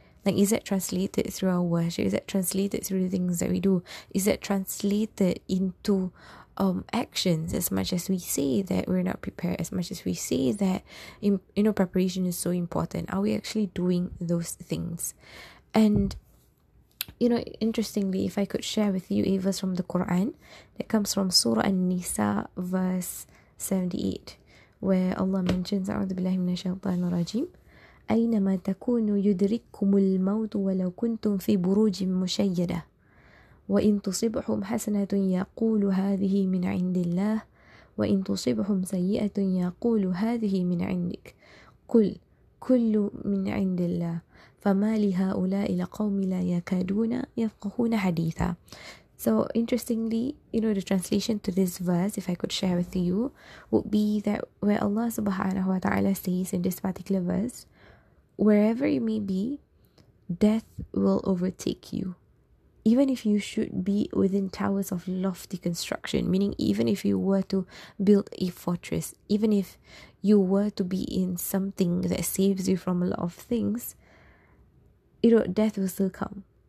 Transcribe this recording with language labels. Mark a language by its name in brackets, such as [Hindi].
[English] Like, is that translated through our worship? Is that translated through the things that we do? Is that translated into actions, as much as we say that we're not prepared, as much as we say that, you know, preparation is so important, are we actually doing those things? And, you know, interestingly, if I could share with you a verse from the Quran that comes from Surah An-Nisa, verse 78, where Allah mentions, [Arabic] A'udhu billahi minash shaitanir rajim, أينما تكونوا يدرككم الموت ولو كنتم في بروج مشيدة وإن تصبهم حسنة يقول هذه من عند الله وإن تصبهم سيئة يقول هذه من عندك قل كل من عند الله فما لهؤلاء القوم لا يكادون يفقهون حديثا. [English] So interestingly, you know, the translation to this verse, if I could share with you, would be that where Allah subhanahu wa ta'ala says in this particular verse, wherever you may be, death will overtake you. Even if you should be within towers of lofty construction, meaning even if you were to build a fortress, even if you were to be in something that saves you from a lot of things, you know, death will still come.